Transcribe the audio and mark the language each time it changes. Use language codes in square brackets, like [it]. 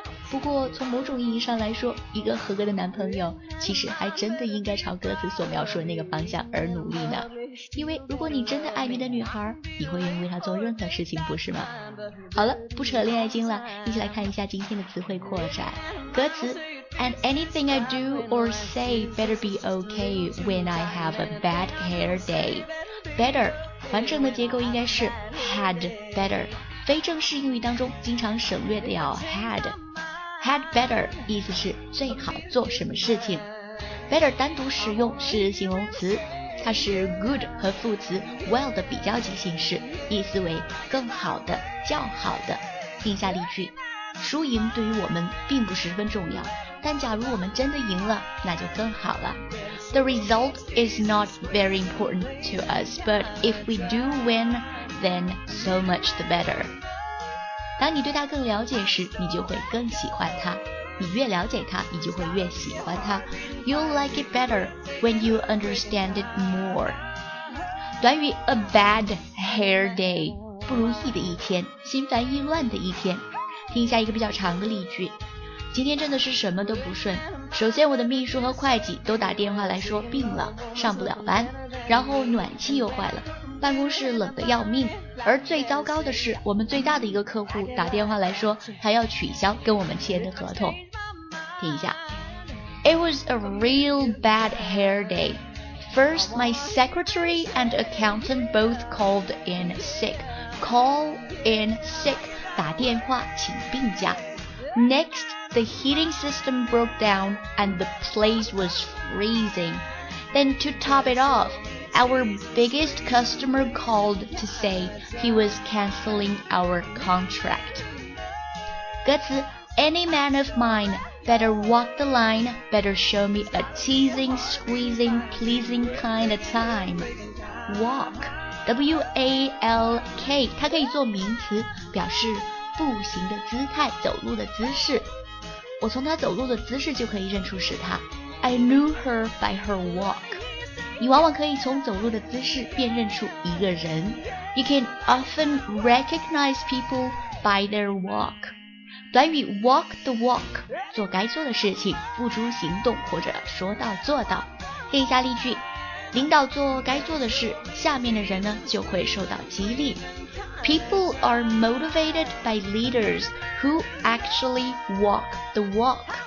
[zh] 不过从某种意义上来说，一个合格的男朋友其实还真的应该朝歌词所描述的那个方向而努力呢。因为如果你真的爱你的女孩，你会愿意为她做任何事情，不是吗？好了，不扯恋爱经了，一起来看一下今天的词汇扩展。 [en] 歌词 And anything I do or say better be okay when I have a bad hair day. [zh] Better完整的结构应该是 had better， 非正式英语当中经常省略掉 had。 Had better 意思是最好做什么事情。Better 单独使用是形容词，它是 good 和副词 well 的比较级形式，意思为更好的、较好的。听下例句，输赢对于我们并不十分重要，但假如我们真的赢了，那就更好了。 [en] The result is not very important to us, but if we do win, then so much the better. [zh] 当你对他更了解时，你就会更喜欢他。你越了解他，你就会越喜欢他。 [en] You'll like it better when you understand it more. [zh] 短语 a bad hair day, 不如意的一天，心烦意乱的一天。听一下一个比较长的例句，今天真的是什么都不顺。首先我的秘书和会计都打电话来说病了，上不了班，然后暖气又坏了，办公室冷得要命，而最糟糕的是我们最大的一个客户打电话来说他要取消跟我们签的合同。听一下， [en] It was a real bad hair day. First my secretary and accountant both called in sick. [zh] Call in sick， 打电话请病假。 [en] Next,The heating system broke down and the place was freezing. Then to top it off, our biggest customer called to say he was canceling our contract. 歌词 Any man of mine better walk the line, better show me a teasing, squeezing, pleasing kind of time. [zh] Walk, W-A-L-K, 它可以做名词，表示步行的姿态，走路的姿势。我从她走路的姿势就可以认出是她。 [en] I knew her by her walk. [zh] 你往往可以从走路的姿势辨认出一个人。 [en] You can often recognize people by their walk. [zh] 短语 walk the walk， 做该做的事情，付诸行动或者说到做到。听一下例句，领导做该做的事，下面的人呢就会受到激励。 [en] People are motivated by leaders who actually walk the walk.